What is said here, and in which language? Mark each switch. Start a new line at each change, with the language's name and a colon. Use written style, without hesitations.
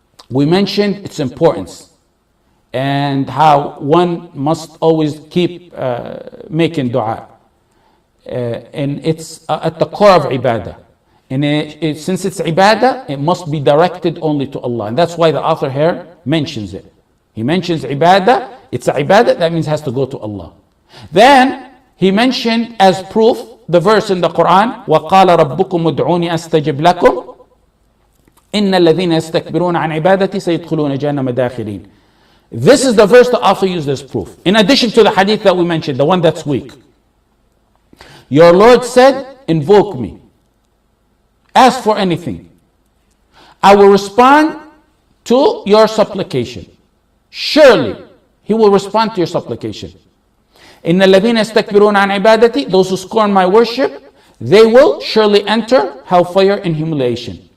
English: We mentioned its importance and how one must always keep making dua. And it's at the core of ibadah. And since it's ibadah, it must be directed only to Allah. And that's why the author here mentions it. He mentions ibadah. It's ibadah. That means it has to go to Allah.
Arabic: Then he mentioned as proof the verse in the Quran, وَقَالَ رَبُّكُمْ ادْعُونِي أَسْتَجِبْ لَكُمْ إِنَّ الَّذِينَ يَسْتَكْبِرُونَ عَنْ عِبَادَتِي سَيَدْخُلُونَ جَهَنَّمَ دَاخِلِينَ.
English: This is the verse the author used as proof. In addition to the hadith that we mentioned, the one that's weak. Your Lord said, invoke me. Ask for anything. I will respond to your supplication. Surely, He will respond to your supplication.
Arabic: إِنَّ الَّذِينَ يَسْتَكْبِرُونَ عَنْ عِبَادَتِي,
English: those who scorn my worship, they will surely enter hellfire and humiliation.